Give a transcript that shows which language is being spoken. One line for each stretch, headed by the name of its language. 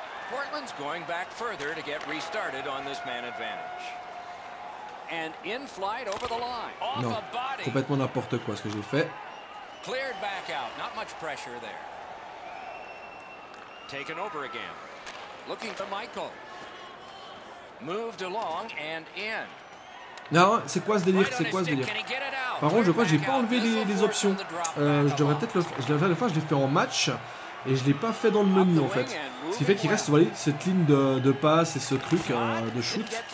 English: Portland's going back further to get restarted on this man advantage. And in flight over the line.
French: Non, complètement n'importe quoi ce que j'ai fait.
English: Cleared back out, not much pressure there. Taken over again. Looking for Michael. Moved along and in.
French: Non, c'est quoi ce délire? C'est quoi ce délire? Par contre, je crois que j'ai pas enlevé les options. Je devrais peut-être le faire. Enfin, je l'ai fait en match et je l'ai pas fait dans le menu en fait. Ce qui fait qu'il reste, voilà, cette ligne de passe et ce truc de shoot.